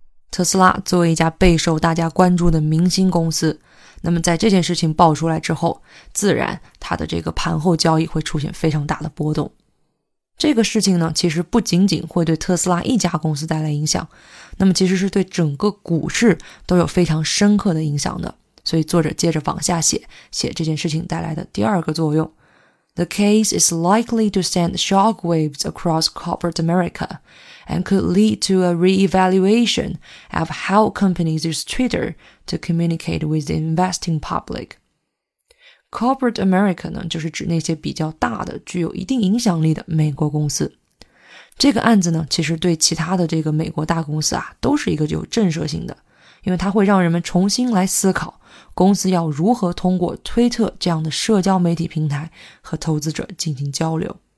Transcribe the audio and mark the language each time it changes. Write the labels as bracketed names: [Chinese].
[Chinese] 特斯拉作为一家备受大家关注的明星公司，那么在这件事情爆出来之后，自然它的这个盘后交易会出现非常大的波动。这个事情呢其实不仅仅会对特斯拉一家公司带来影响，那么其实是对整个股市都有非常深刻的影响的。所以作者接着往下写，写这件事情带来的第二个作用。 [English] The case is likely to send shockwaves across corporate America and could lead to a re-evaluation of how companies use Twitter to communicate with the investing public. [Chinese] Corporate America 呢，就是指那些比较大的、具有一定影响力的美国公司。这个案子呢，其实对其他的这个美国大公司啊，都是一个有震慑性的，因为它会让人们重新来思考公司要如何通过推特这样的社交媒体平台和投资者进行交流。